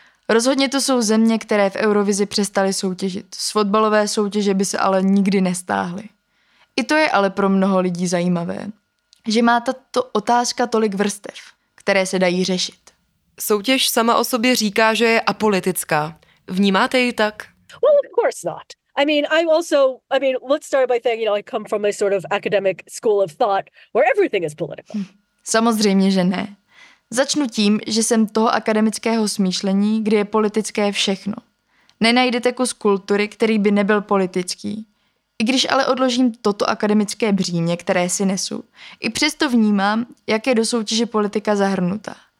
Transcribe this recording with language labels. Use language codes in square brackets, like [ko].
[cs] Rozhodně to jsou země, které v Eurovizi přestaly soutěžit. Z fotbalové soutěže by se ale nikdy nestáhly. I to je ale pro mnoho lidí zajímavé, že má tato otázka tolik vrstev, které se dají řešit. Soutěž sama o sobě říká, že je apolitická. Vnímáte ji tak? [en] Well, of course not. I mean, let's start by saying, you know, I come from a sort of academic school of thought where everything is political. [cs] Samozřejmě, že ne. Začnu tím, že jsem toho akademického smýšlení, kde je politické všechno. Nenajdete kus kultury, který by nebyl politický. I když ale odložím toto akademické břímě, které si nesu, i přesto vnímám, jak je do soutěže politika zahrnuta.